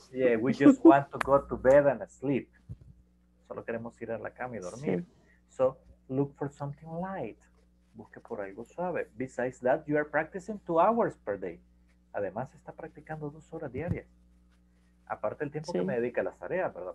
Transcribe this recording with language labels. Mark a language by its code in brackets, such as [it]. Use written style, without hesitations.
[en] Yeah, we just want to go to bed and sleep. [es] Solo queremos ir a la cama y dormir. [en] Sí. So, look for something light. [es] Busque por algo suave. [en] Besides that, you are practicing 2 hours per day. [es] Además, está practicando 2 horas diarias. Aparte el tiempo que me dedica a las tareas, ¿verdad?